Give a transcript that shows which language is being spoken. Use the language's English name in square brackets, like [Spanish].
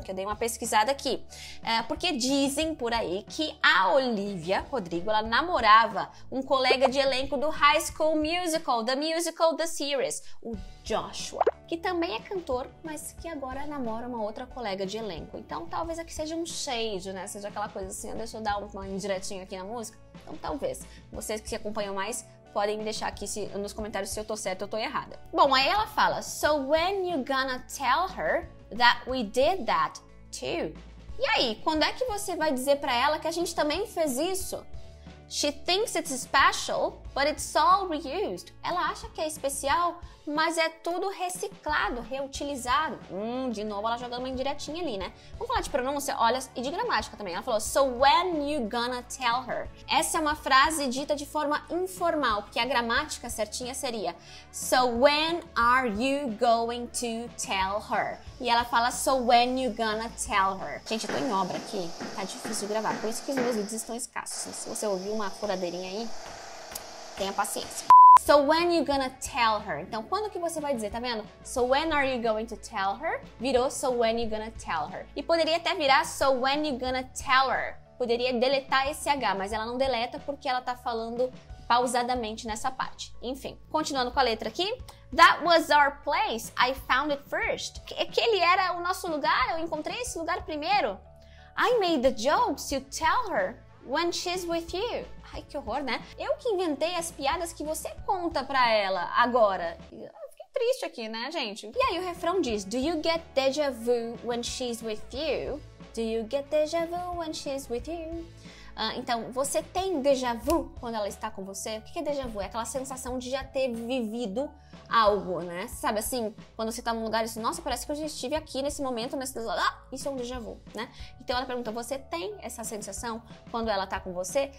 [Portuguese] Que eu dei uma pesquisada aqui. Porque dizem por aí que a Olivia Rodrigo, ela namorava um colega de elenco do High School Musical, The Musical, The Series, o Joshua. Que também é cantor, mas que agora namora uma outra colega de elenco. Então, talvez aqui seja um shade, né? Seja aquela coisa assim, deixa eu dar uma indiretinha aqui na música. Então, talvez. Vocês que se acompanham mais, podem me deixar aqui nos comentários se eu tô certa ou tô errada. Bom, aí ela fala, [English] so when you gonna tell her that we did that too? [Portuguese] E aí, quando é que você vai dizer pra ela que a gente também fez isso? [English] She thinks it's special, but it's all reused. [Portuguese] Ela acha que é especial, mas é tudo reciclado, reutilizado. De novo ela jogando uma indiretinha ali, né? Vamos falar de pronúncia, olha, e de gramática também. Ela falou, [English] so when you gonna tell her? [Portuguese] Essa é uma frase dita de forma informal, porque a gramática certinha seria, [English] so when are you going to tell her? [Portuguese] E ela fala, [English] so when you gonna tell her? [Portuguese] Gente, eu tô em obra aqui, tá difícil de gravar. Por isso que os meus vídeos estão escassos. Se você ouviu uma furadeirinha aí, tenha paciência. [English] So when you gonna tell her? [Portuguese] Então, quando que você vai dizer, tá vendo? [English] So when are you going to tell her? [Portuguese] Virou [English] so when you gonna tell her. [Portuguese] E poderia até virar [English] so when you gonna tell her. [Portuguese] Poderia deletar esse H, mas ela não deleta porque ela tá falando pausadamente nessa parte. Enfim, continuando com a letra aqui. [English] That was our place. I found it first. [Portuguese] Aquele era o nosso lugar? Eu encontrei esse lugar primeiro? [English] I made the jokes you tell her when she's with you. [Portuguese] Ai, que horror, né? Eu que inventei as piadas que você conta pra ela agora. Fiquei triste aqui, né, gente? E aí o refrão diz, [English] do you get deja vu when she's with you? Do you get deja vu when she's with you? [Portuguese] Então, você tem déjà vu quando ela está com você? O que é déjà vu? É aquela sensação de já ter vivido algo, né? Sabe assim, quando você está num lugar e diz, nossa, parece que eu já estive aqui nesse momento, isso é um déjà vu, né? Então, ela pergunta, você tem essa sensação quando ela está com você?